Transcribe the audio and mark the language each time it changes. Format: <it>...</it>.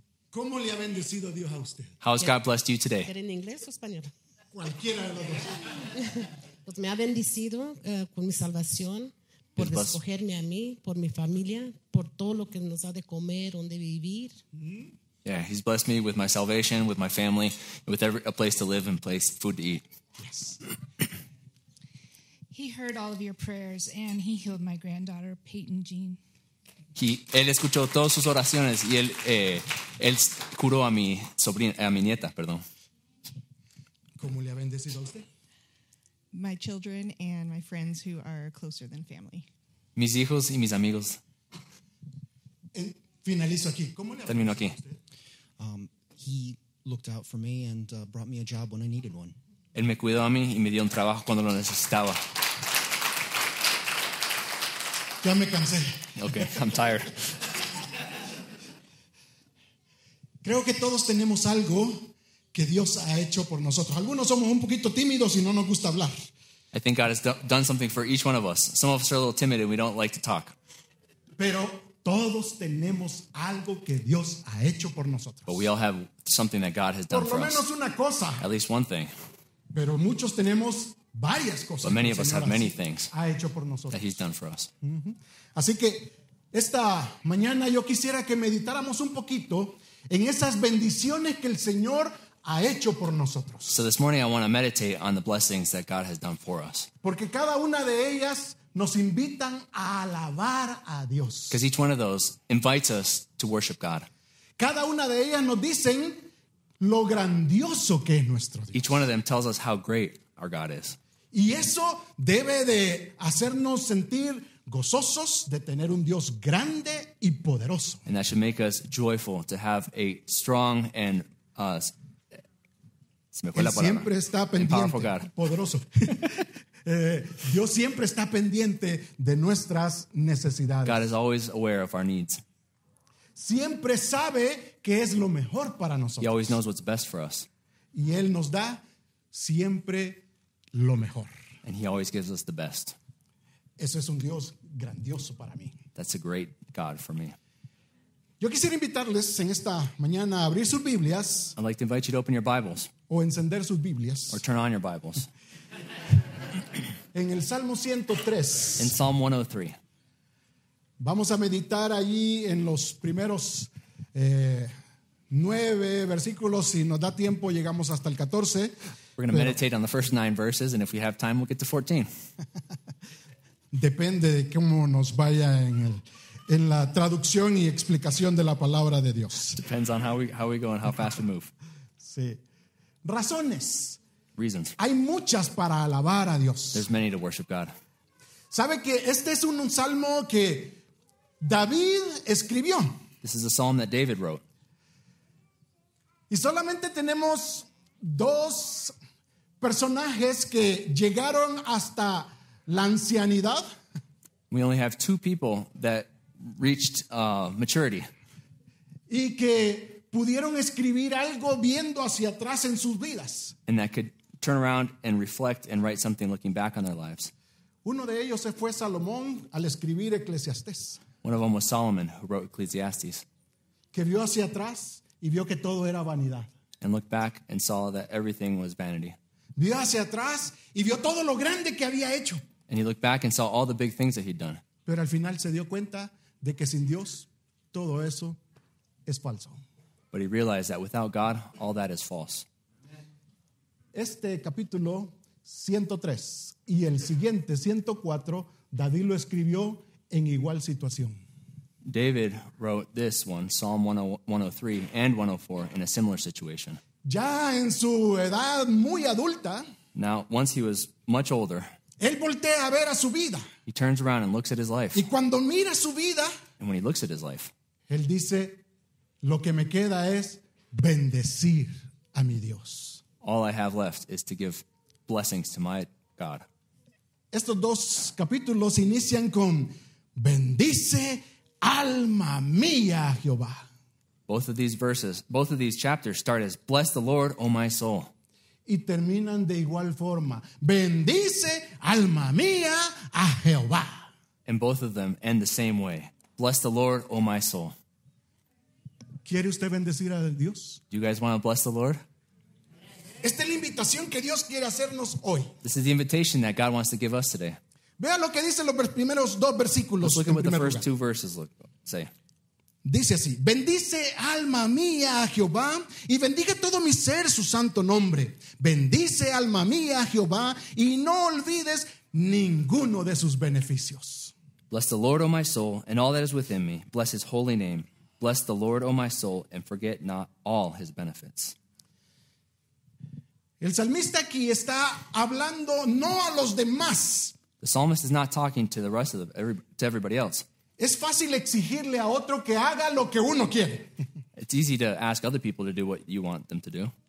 <es>¿Cómo le ha bendecido Dios a usted?</es> <en>How has God blessed you today?</en> <es>¿En inglés o español? Cualquiera de los dos. Pues me ha bendecido con mi salvación. Por escogerme a mí, por mi familia, por todo lo que nos ha de comer, donde vivir.</es> <en>Yeah, he's blessed me with my salvation, with my family, with a place to live and place food to eat. Yes. He heard all of your prayers and he healed my granddaughter, Peyton Jean.</en> <es>Él escuchó todas sus oraciones y él curó a mi sobrina, a mi nieta, perdón. ¿Cómo le ha bendecido a usted?</es> <en>My children and my friends who are closer than family.</en> <es>Mis hijos y mis amigos. Finalizo aquí. ¿Cómo le termino aquí?</es> <en>He looked out for me and brought me a job when I needed one.</en> <es>Él me cuidó a mí y me dio un trabajo cuando lo necesitaba. Ya me cansé.</es> <en>Okay, I'm tired.</en> <es>Creo que todos tenemos algo que Dios ha hecho por nosotros. Algunos somos un poquito tímidos y no nos gusta hablar.</es> <en>I think God has done something for each one of us. Some of us are a little timid and we don't like to talk.</en> <es>Pero todos tenemos algo que Dios ha hecho por nosotros.</es> <en>But we all have something that God has done for us.</en> <es>Por lo menos una cosa.</es> <en>At least one thing.</en> <es>Pero muchos tenemos varias cosas.</es> <en>But many of us have many things</en> <es>ha hecho por nosotros.</es> <en>That he's done for us. Mm-hmm.</en> <es>Así que esta mañana yo quisiera que meditáramos un poquito en esas bendiciones que el Señor ha hecho por nosotros.</es> <en>So this morning I want to meditate on the blessings that God has done for us.</en> <es>Porque cada una de ellas nos invitan a alabar a Dios.</es> <en>Because each one of those invites us to worship God.</en> <es>Cada una de ellas nos dicen lo grandioso que es nuestro Dios.</es> <en>Each one of them tells us how great our God is.</en> <es>Y eso debe de hacernos sentir gozosos de tener un Dios grande y poderoso.</es> <en>And that should make us joyful to have a strong and</en> <es>siempre está pendiente, poderoso. Dios siempre está pendiente de nuestras necesidades.</es> <en>God is always aware of our needs.</en> <es>Siempre sabe qué es lo mejor para nosotros.</es> <en>He always knows what's best for us.</en> <es>Y él nos da siempre lo mejor.</es> <en>And he always gives us the best.</en> <es>Eso es un Dios grandioso para mí.</es> <en>That's a great God for me.</en> <es>Yo quisiera invitarles en esta mañana a abrir sus Biblias.</es> <en>I'd like to invite you to open your Bibles.</en> <es>O encender sus Biblias.</es> <en>Or turn on your Bibles.</en> <es>En el Salmo 103.</es> <en>In Psalm 103.</en> <es>Vamos a meditar allí en los primeros 9 versículos. Si nos da tiempo, llegamos hasta el 14.</es> <en>We're going to meditate on the first 9 verses, and if we have time, we'll get to 14.</en> <es>Depende de cómo nos vaya en el en la traducción y explicación de la palabra de Dios.</es> <en>Depends on how we go and how fast we move.</en> <es>Sí. Razones.</es> <en>Reasons.</en> <es>Hay muchas para alabar a Dios.</es> <en>There's many to worship God.</en> <es>¿Sabe que este es un salmo que David escribió?</es> <en>This is a psalm that David wrote.</en> <es>Y solamente tenemos dos personajes que llegaron hasta la ancianidad.</es> <en>We only have two people that reached maturity.</en> <es>Y que pudieron escribir algo viendo hacia atrás en sus vidas.</es> <en>And that could turn around and reflect and write something looking back on their lives.</en> <es>Uno de ellos se fue Salomón al escribir Eclesiastés.</es> <en>One of them was Solomon who wrote Ecclesiastes.</en> <es>Que vio hacia atrás y vio que todo era vanidad.</es> <en>And looked back and saw that everything was vanity.</en> <es>Vio hacia atrás y vio todo lo grande que había hecho.</es> <en>And he looked back and saw all the big things that he'd done.</en> <es>Pero al final se dio cuenta de que sin Dios todo eso es falso.</es> <en>But he realized that without God, all that is false.</en> <es>Este capítulo 103 y el siguiente 104, David lo escribió en igual situación.</es> <en>David wrote this one, Psalm 103 and 104, in a similar situation.</en> <es>Ya en su edad muy adulta,</es> <en>now, once he was much older,</en> <es>él voltea a ver a su vida.</es> <en>He turns around and looks at his life.</en> <es>Y cuando mira su vida,</es> <en>and when he looks at his life,</en> <es>él dice, lo que me queda es bendecir a mi Dios.</es> <en>All I have left is to give blessings to my God.</en> <es>Estos dos capítulos inician con bendice alma mía, Jehová.</es> <en>Both of these verses, both of these chapters start as bless the Lord, O my soul.</en> <es>Y terminan de igual forma. Bendice alma mía a Jehová.</es> <en>And both of them end the same way. Bless the Lord, O my soul.</en> <es>¿Quiere usted bendecir a Dios?</es> <en>Do you guys want to bless the Lord?</en> <es>Esta es la invitación que Dios quiere hacernos hoy.</es> <en>This is the invitation that God wants to give us today.</en> <es>Vea lo que dicen los primeros dos versículos.</es> <en>Let's look at what the first two verses say.</en> <es>Dice así, bendice alma mía a Jehová y bendiga todo mi ser su santo nombre. Bendice alma mía a Jehová y no olvides ninguno de sus beneficios.</es> <en>Bless the Lord, O my soul, and all that is within me. Bless his holy name. Bless the Lord, O my soul, and forget not all his benefits.</en> <es>El salmista aquí está hablando no a los demás.</es> <en>The psalmist is not talking to the rest of to everybody else.</en> <es>Es fácil exigirle a otro que haga lo que uno quiere.</es> <en>It's easy to ask other people to do what you want them to do.</en>